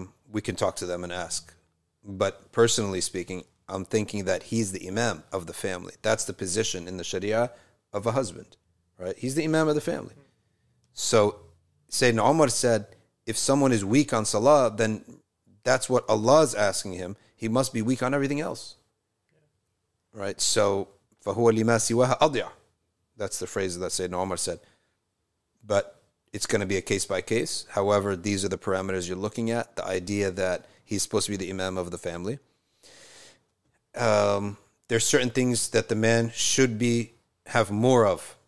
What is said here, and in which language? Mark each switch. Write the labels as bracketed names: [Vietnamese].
[English] We can talk to them and ask. But personally speaking, I'm thinking that he's the imam of the family. That's the position in the Sharia of a husband, right? He's the imam of the family. So Sayyidina Umar said, if someone is weak on Salah, then that's what Allah is asking him. He must be weak on everything else. Right? [Arabic] So, فَهُوَ لِمَا سِوَهَا أَضْيَعَ. [English] That's the phrase that Sayyidina Umar said. But it's going to be a case by case. However, these are the parameters you're looking at. The idea that he's supposed to be the imam of the family. There's certain things that the man should be have more of.